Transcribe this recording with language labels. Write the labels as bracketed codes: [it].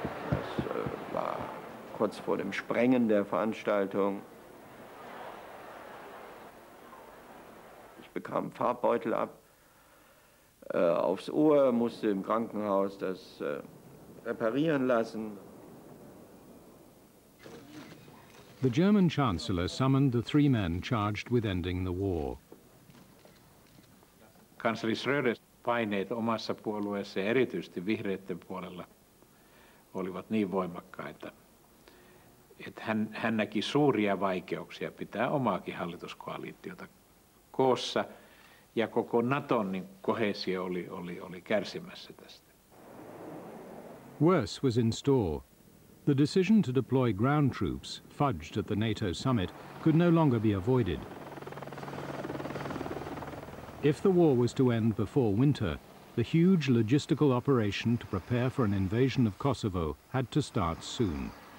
[de] Das war kurz vor dem Sprengen der Veranstaltung. Ich bekam einen Farbbeutel ab, aufs Ohr, musste im Krankenhaus das reparieren lassen. [en] The German Chancellor summoned the three men charged with ending the war. [fi] Kansleri Schröder paineet omassa puolueessa ja erityisesti vihreiden puolella olivat niin voimakkaita, että hän näki suuria vaikeuksia pitää omaakin hallituskoalitiota koossa ja koko NATO:n niin kohesio oli kärsimässä tästä. [en] Worse was in store. The decision to deploy ground troops, fudged at the NATO summit, could no longer be avoided. If the war was to end before winter, the huge logistical operation to prepare for an invasion of Kosovo had to start soon.